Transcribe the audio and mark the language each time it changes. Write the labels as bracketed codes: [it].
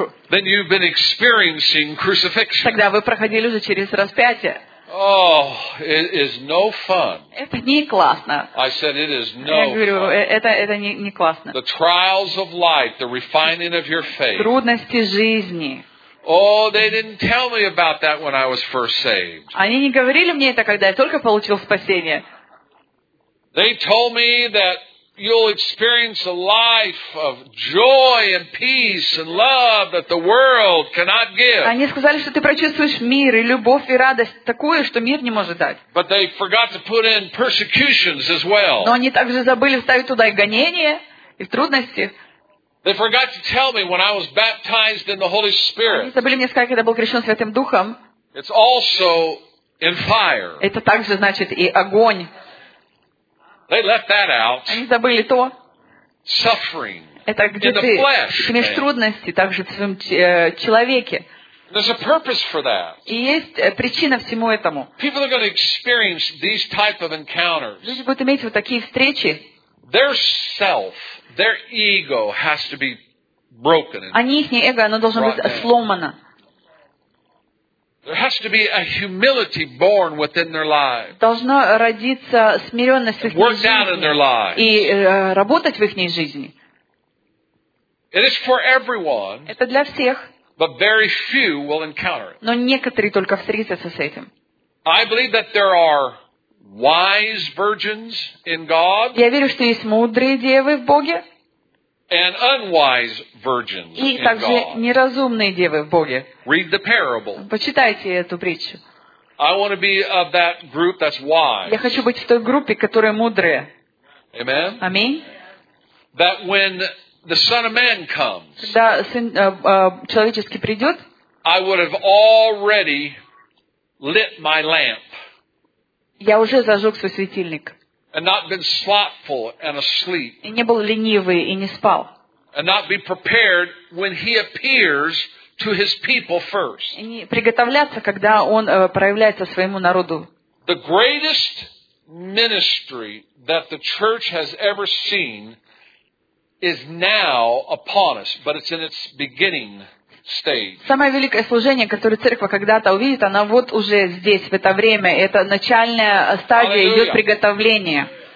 [en] Then you've been experiencing crucifixion. [ru] Тогда вы проходили уже через распятие. [en] Oh, it is no fun. [ru] Это не классно. [en] I said it is no. [ru] Я говорю, это не классно. [en] The trials of life, the refining of your faith. [ru] Трудности жизни. [en] Oh, they didn't tell me about that when I was first saved. [ru] Они не говорили мне это, когда я только получил спасение. [en] They told me that you'll experience a life of joy and peace and love that the world cannot give. [ru] Они сказали, что ты прочувствуешь мир и любовь и радость такое, что мир не может дать. [en] But they forgot to put in persecutions as well. [ru] Но они также забыли вставить туда и гонения, и трудности. [en] They forgot to tell me when I was baptized in the Holy Spirit. [ru] Они забыли мне сказать, когда был крещен Святым Духом. [en] It's also in fire. [ru] Это также значит и огонь. [en] They left that out. [ru] Они забыли то. [en] Suffering. [ru] Это где ты? Имеешь трудности также в своем человеке. [en] There's a purpose for that. [ru] И есть причина всему этому. [en] People are going to experience these type of encounters. [ru] Люди будут иметь вот такие встречи. [en] Their self, their ego has to be broken. [ru] Они их эго, оно должно быть сломано. [en] There has to be a humility born within their lives. [ru] Должно родиться смиренность в их жизни. [en] Worked out in their lives. [ru] И работать в их жизни. [en] It is for everyone. [ru] Это для всех. [en] But very few will encounter it. [ru] Но некоторые только встретятся с этим. [en] I believe that there are wise virgins in God. [ru] Я верю, что есть мудрые девы в Боге. [en] And unwise virgins in God. [ru] И также неразумные девы в Боге. [en] Read the parable. [ru] Почитайте эту притчу. [en] I want to be of that group that's wise. [ru] Я хочу быть в той группе, которая мудрая. [en] Amen. [ru] Аминь. [en] That when the Son of Man comes. [ru] Когда Сын человеческий придет. [en] I would have already lit my lamp. [ru] Я уже зажег свой светильник. [en] And not been slothful and asleep. [ru] И не был ленивый и не спал. [en] And not be prepared when he appears to his people first. [ru] И не приготовляться, когда он проявляется своему народу. [en] The greatest ministry that the church has ever seen is now upon us, but it's in its beginning stage. [ru] Самое великое служение, которое церковь когда-то увидит, оно вот уже здесь, в это время. Это начальная стадия, идет приготовление.